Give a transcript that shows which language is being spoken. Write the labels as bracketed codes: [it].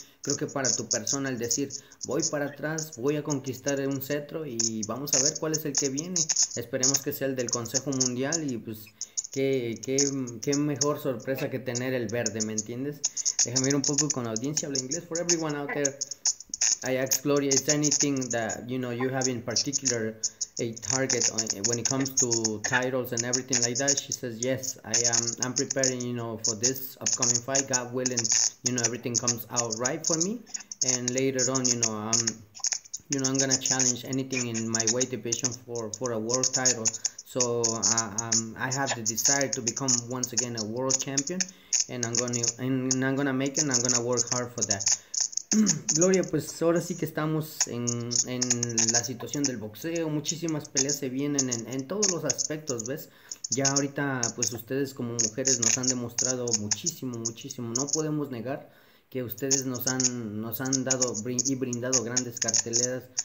[es] creo que para tu persona el decir, voy para atrás, voy a conquistar un cetro y vamos a ver cuál es el que viene. Esperemos que sea el del Consejo Mundial y pues qué mejor sorpresa que tener el verde, ¿me entiendes? Déjame ir un poco con la audiencia, habla inglés. [en] For everyone out there, I ask Gloria, is there anything that you have in particular a target when it comes to titles and everything like that? She says yes, I'm preparing for this upcoming fight, God willing, everything comes out right for me, and later on I'm gonna challenge anything in my weight division for a world title. So I have the desire to become once again a world champion, and I'm gonna make it, and I'm gonna work hard for that. [es] Gloria, pues ahora sí que estamos en la situación del boxeo. Muchísimas peleas se vienen en todos los aspectos, ¿ves? Ya ahorita, pues ustedes como mujeres nos han demostrado muchísimo, muchísimo. No podemos negar que ustedes nos han dado y brindado grandes carteleras.